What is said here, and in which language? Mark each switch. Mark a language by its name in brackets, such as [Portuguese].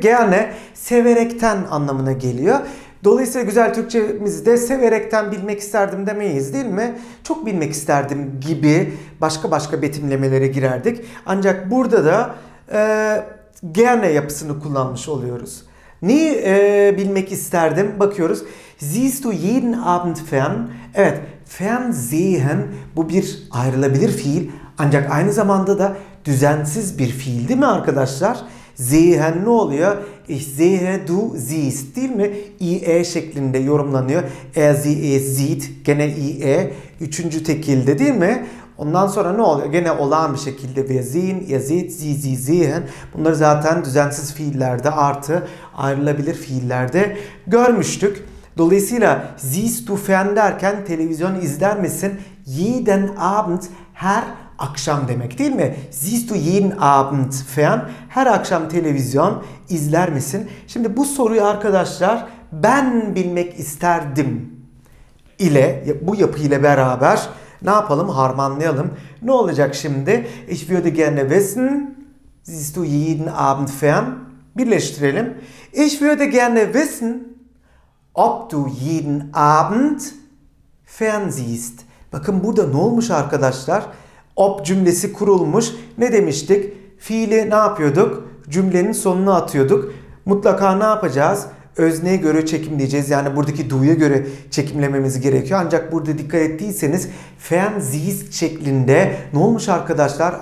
[Turkish] Gerne severekten anlamına geliyor. Dolayısıyla güzel Türkçemizde severekten bilmek isterdim demeyiz değil mi? Çok bilmek isterdim gibi başka başka betimlemelere girerdik. Ancak burada da gerne yapısını kullanmış oluyoruz. Neyi bilmek isterdim? Bakıyoruz. [German] Siehst du jeden Abend fern? [Turkish] Evet, fernsehen bu bir ayrılabilir fiil. Ancak aynı zamanda da düzensiz bir fiil değil mi arkadaşlar? Sehen ne oluyor? [German] Ich sehe, du siehst [Turkish] değil mi? IE şeklinde yorumlanıyor. [German] Er, sie, es, sieht [Turkish] gene IE. Üçüncü tekilde değil mi? Ondan sonra ne oluyor? Gene olağan bir şekilde. [German] Wir sehen, ihr seht, sie, sie, sehen. [Turkish] Bunları zaten düzensiz fiillerde artı ayrılabilir fiillerde görmüştük. Dolayısıyla [German] siehst du fern [Turkish] derken televizyon izler misin? [German] Jeden Abend [Turkish] her akşam demek değil mi? [German] Siehst du jeden Abend fern? [Turkish] Her akşam televizyon izler misin? Şimdi bu soruyu arkadaşlar ben bilmek isterdim ile bu yapıyla beraber ne yapalım? Harmanlayalım. Ne olacak şimdi? [German] Ich würde gerne wissen. Siehst du jeden Abend fern? [Turkish] Birleştirelim. [German] Ich würde gerne wissen, ob du jeden Abend fernsiehst. [Turkish] Bakın burada ne olmuş arkadaşlar? Ob cümlesi kurulmuş. Ne demiştik? Fiili ne yapıyorduk? Cümlenin sonuna atıyorduk. Mutlaka ne yapacağız? Özneye göre çekimleyeceğiz. Yani buradaki du'ya göre çekimlememiz gerekiyor. Ancak burada dikkat ettiyseniz fernsiehst şeklinde ne olmuş arkadaşlar?